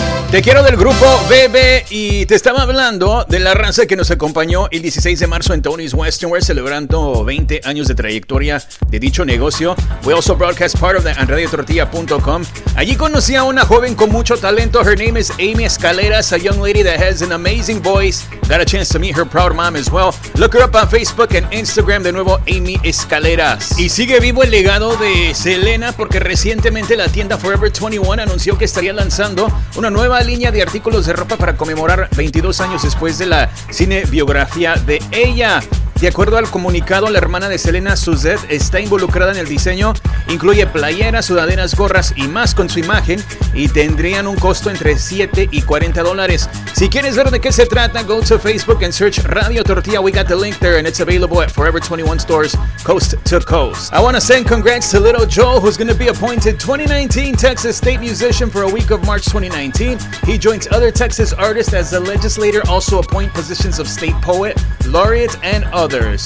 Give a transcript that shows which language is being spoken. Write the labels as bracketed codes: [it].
[es] Te quiero del grupo Bebe y te estaba hablando de la raza que nos acompañó el 16 de marzo en Tony's Western World, celebrando 20 años de trayectoria de dicho negocio. [en] We also broadcast part of the radiotortilla.com. [es] Allí conocí a una joven con mucho talento. [en] Her name is Amy Escaleras, a young lady that has an amazing voice. Got a chance to meet her proud mom as well. Look her up on Facebook and Instagram, de nuevo Amy Escaleras. [es] Y sigue vivo el legado de Selena, porque recientemente la tienda Forever 21 anunció que estaría lanzando una nueva línea de artículos de ropa para conmemorar 22 años después de la cinebiografía de ella. De acuerdo al comunicado, la hermana de Selena, Suzette, está involucrada en el diseño. Incluye playeras, sudaderas, gorras y más con su imagen, y tendrían un costo entre $7 y $40. Si quieres ver de qué se trata, go to Facebook and search Radio Tortilla. [en] We got the link there and it's available at Forever 21 stores coast to coast. I want to send congrats to Little Joe, who's going to be appointed 2019 Texas State Musician for a week of March 2019. He joins other Texas artists as the legislator also appoint positions of state poet, laureate, and others.